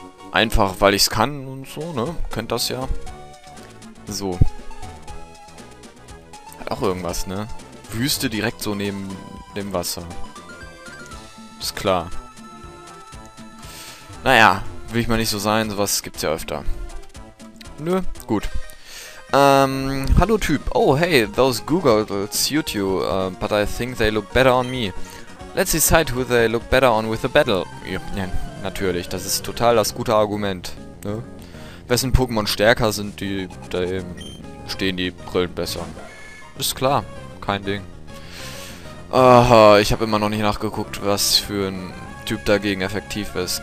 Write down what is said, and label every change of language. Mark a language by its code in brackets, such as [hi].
[de] Einfach, weil ich's kann und so, ne? Kennt das ja. So. Hat auch irgendwas, ne? Wüste direkt so neben dem Wasser. Ist klar. Naja, will ich mal nicht so sein, sowas gibt's ja öfter. Nö, gut. Hallo Typ. [en] Oh, hey, those Googles suit you, but I think they look better on me. Let's decide who they look better on with the battle. [de] Ja, natürlich, das ist total das gute Argument. Ne? Wessen Pokémon stärker sind, die da eben stehen die Brillen besser. Ist klar. Kein Ding. Ich habe immer noch nicht nachgeguckt, was für ein Typ dagegen effektiv ist.